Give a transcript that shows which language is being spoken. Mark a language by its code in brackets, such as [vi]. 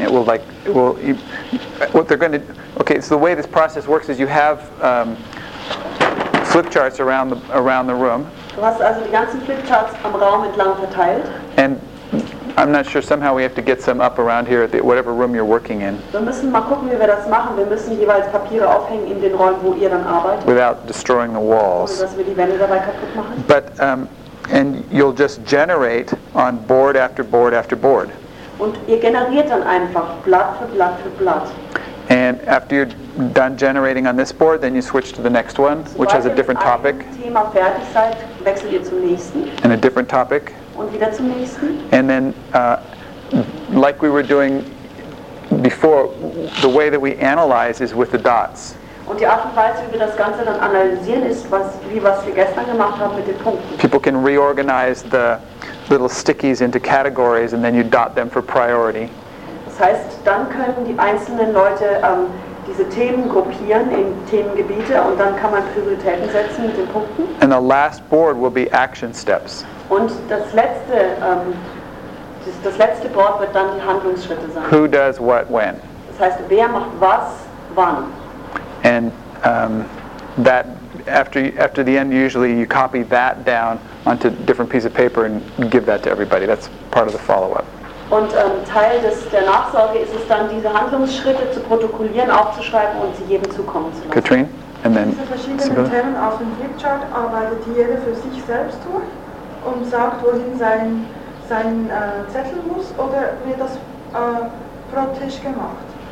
[en] It will like, it will, what they're going to, okay, so the way this process works is you have flip charts around the room. [de] Du hast also die ganzen Flip Charts am Raum entlang verteilt. [en] And I'm not sure, somehow we have to get some up around here at the, whatever room you're working in. [de] Wir müssen mal gucken, wie wir das machen. Wir müssen jeweils Papiere aufhängen in den Räumen, wo ihr dann arbeitet. [en] Without destroying the walls. [de] Ohne, dass wir die Wände dabei kaputt machen. [en] But, and you'll just generate on board after board after board. [de] Und ihr generiert dann einfach Blatt für Blatt für Blatt. [en] And after you're done generating on this board, then you switch to the next one, so which has a different topic. [de] Thema fertig seid, wechselt ihr zum nächsten. [en] And a different topic. [de] Und wieder zum nächsten. [en] And then, like we were doing before, the way that we analyze is with the dots. [de] Und die Art und Weise, wie wir das Ganze dann analysieren, ist, was wir gestern gemacht haben mit den Punkten. [en] People can reorganize the little stickies into categories, and then you dot them for priority. [de] Das heißt, dann können die einzelnen Leute diese Themen gruppieren in Themengebiete und dann kann man Prioritäten setzen mit den Punkten. [en] And the last board will be action steps. [de] Und das letzte, das letzte Board wird dann die Handlungsschritte sein. [en] Who does what when? [de] Das heißt, wer macht was wann? [en] And that after the end, usually you copy that down onto different piece of paper and give that to everybody. That's part of the follow-up. [de] Und Teil des, der Nachsorge ist es dann, diese Handlungsschritte zu protokollieren, aufzuschreiben und sie jedem zukommen zu lassen. [en] Katrin, and then [de] diese verschiedenen Sibylle? Themen auf dem Flipchart arbeitet jeder für sich selbst durch und sagt, wohin sein Zettel muss oder wird das pro Tisch gemacht?